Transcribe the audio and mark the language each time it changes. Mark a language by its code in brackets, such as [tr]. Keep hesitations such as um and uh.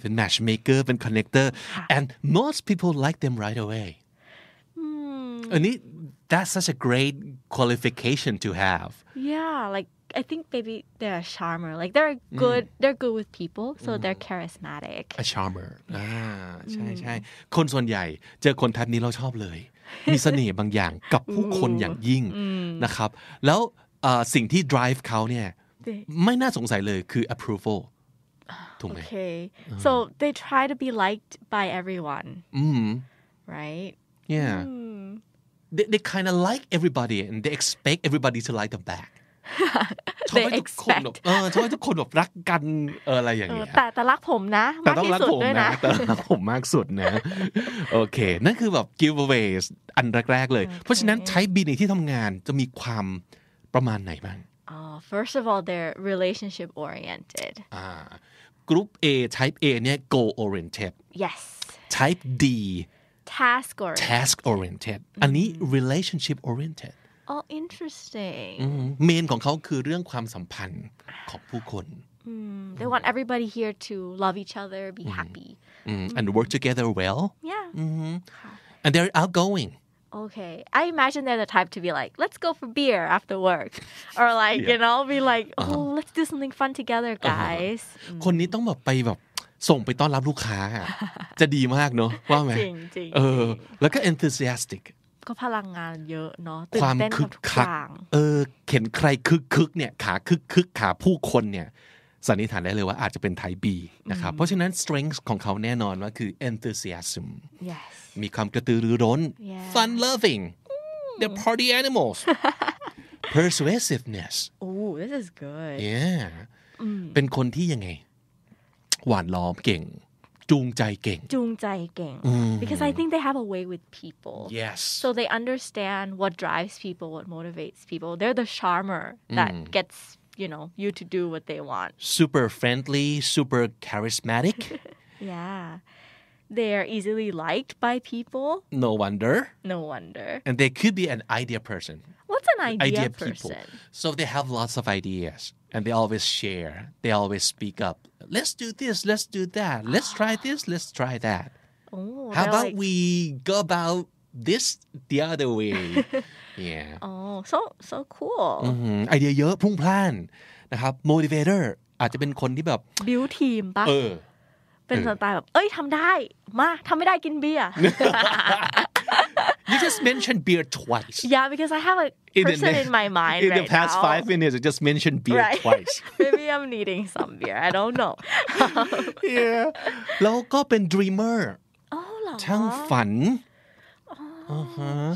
[en] matchmaker and connector yeah. and most people like them right away. Mm. And it, that's such a great qualification to have. Yeah, like I think maybe they're a charmer. Like they're good. Mm. They're good with people, so mm. they're charismatic. A charmer. [th] Ah, ใช่ใช่คนส่วนใหญ่เจอคนแทบนี้เราชอบเลย มีเสน่ห์บางอย่างกับผู้คนอย่างยิ่งนะครับแล้วสิ่งที่ drive เขาเนี่ยไม่น่าสงสัยเลยคือ approval ถูกไหม [en] Okay so they try to be liked by everyone right Yeah they they kind of like everybody and they expect everybody to like them back They e x p e [th] เออทำไทุกคนแบบรักกันอะไรอย่างเงี้ย แต่แต่รักผมนะมากที่สุดด้วยนะแต่รัก ผมมากสุดนะโอเคนั่นคือแบบ giveaways อันแรกๆเลย เพราะฉะนั้นใช้บีในที่ทำงานจะมีความประมาณไหนบ้าง [en] First of all they're relationship oriented [th] อ่ากลุ่ม [en] A type A เนี่ย goal oriented yes type D task oriented task oriented [th] อันนี้ [en] relationship oriented oh interesting [th] เมนของเขาคือเรื่องความสัมพันธ์ของผู้คน [en] they want everybody here to love each other be happy and work together well yeah and they're outgoing okay I imagine they're the type to be like let's go for beer after work or like you know be like oh let's do something fun together guys [th] คนนี้ต้องแบบไปแบบส่งไปต้อนรับลูกค้า จะดีมากเนอะว่าไหมจริงจริงเออ แล้วก็ enthusiastic ก็พลังงานเยอะเนาะความคึกคักเ ออเห็นใครคึกคึกเนี่ยขาคึกคึกขาผู้คนเนี่ยสันนิษฐานได้เลยว่าอาจจะเป็นไทบีนะครับ เพราะฉะนั้น strength ของเขาแน่นอนว่าคือ enthusiasm มีความกระตือรือร้น [en] fun loving the party animals persuasiveness oh this is good yeah [th] เป็นคนที่ยังไงหวานล้อมเก่งจูงใจเก่ง จูงใจเก่ง mm. [en] because I think they have a way with people yes so they understand what drives people what motivates people they're the charmer that mm. gets you know you to do what they want super friendly super charismatic yeah they are easily liked by people no wonder no wonder and they could be an idea person what's an idea, an idea, idea person people. so they have lots of ideas and they always share. They always speak up. Let's do this. Let's do that. Let's oh. try this. Let's try that. Oh, How about like... we go about this the other way? yeah. Oh, so so cool. Mm-hmm. [th] Idea เยอะพุ่งพลานนะครับ motivator อาจจะเป็นคนที่แบบ build team ปะเออ เป็นสไตล์แบบ เอ้ยทำได้ มาทำไม่ได้กินเบียร์ [en] you just mentioned beer twice. Yeah, because I have a in person in, the, in my mind. In right the past now. five minutes, I just mentioned beer right. twice. Maybe I'm needing some beer. I don't know. yeah. Local and dreamer. Oh, Laoha. Tell fun. Huh? Uh -huh.